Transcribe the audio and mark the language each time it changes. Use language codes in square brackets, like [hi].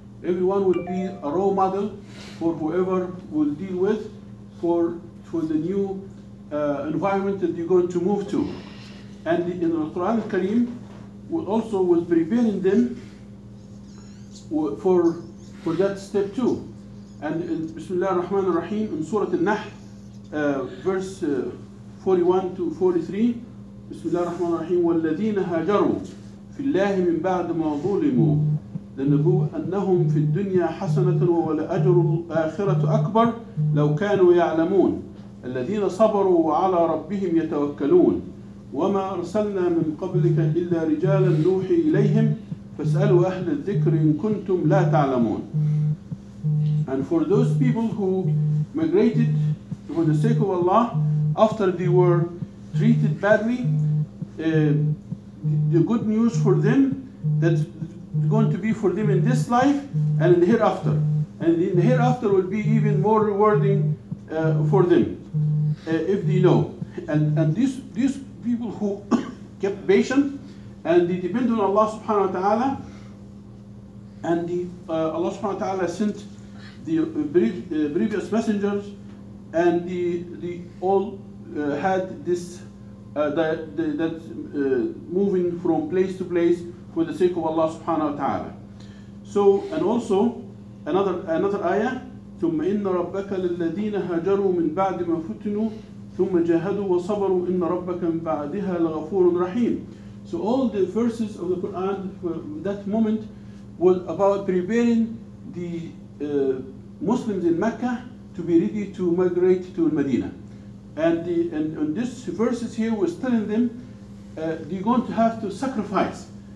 [en] Everyone will be a role model for whoever will deal with for the new environment that they're going to move to. And in the Quran al-Karim, also was preparing them for that step too. And in Bismillah ar-Rahman ar-Rahim, [ar] in Surah al-Nahl, verse 41 to 43, Bismillah ar-Rahman ar-Rahim, وَالَّذِينَ هَاجَرُوا فِي اللَّهِ مِنْ بَعْدِ مَا ظُلِمُوا لَنَبُوا أَنَّهُمْ فِي الدُّنْيَا حَسَنَةً وَلَأَجْرُ الْآخِرَةُ أَكْبَرُ لَوْ كَانُوا يَعْلَمُونَ الَّذِينَ صَبَرُوا عَلَى رَبِّهِمْ يَتَوَكَّلُونَ وَمَا أَرْسَلْنَا مِنْ قَبْلِكَ إِلَّا رِجَالًا نُوحِي إِلَيْهِمْ فَاسْأَلُوا أَهْلَ الذِّكْرِ إِن كُنْتُمْ لَا تَعْلَمُونَ. [en] And for those people who migrated for the sake of Allah after they were treated badly, the good news for them that's going to be for them in this life and in the hereafter. And in the hereafter will be even more rewarding for them if they know. And these people who kept patient and they depend on Allah subhanahu wa ta'ala, and Allah subhanahu wa ta'ala sent the previous messengers and the all had this that moving from place to place for the sake of Allah subhanahu wa ta'ala. So, and also another ayah, [ar] ثُمَّ إِنَّ رَبَّكَ لِلَّذِينَ هَاجَرُوا مِنْ بَعْدِ مَا فُتِنُوا ثُمَّ جَاهَدُوا وَصَبَرُوا إِنَّ رَبَّكَ مِنْ بَعْدِهَا لَغَفُورٌ رَحِيمٌ. [en] So all the verses of the Quran for that moment was about preparing the Muslims in Mecca to be ready to migrate to Medina. And this verses here was telling them, they're going to have to sacrifice.